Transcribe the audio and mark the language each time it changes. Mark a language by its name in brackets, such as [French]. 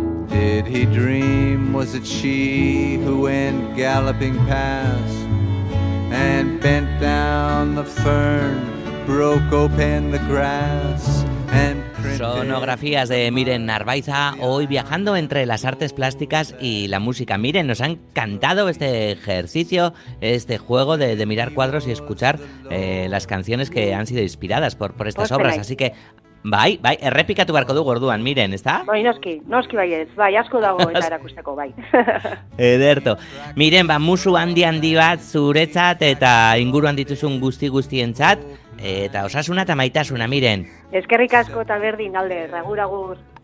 [English] Did he dream? Was it she who went galloping past and bent down the fern, broke open the grass? [Spanish] Sonografías de Miren Narváiza, hoy viajando entre las artes plásticas y la música. Miren, nos ha encantado este ejercicio, este juego de mirar cuadros y escuchar las canciones que han sido inspiradas por estas obras. Así que, [Basque] bai, errepikatu beharko dugu orduan, Miren, [Spanish] ¿está? [Basque] Bai, noski baiez, bai, asko dago eta erakusteko, bai. Ederto. Miren, ba, musu handi bat zuretzat eta inguruan dituzun guztientzat. Eta osasuna eta maitasuna, Miren. Eskerrik asko eta berdin, alde, agur.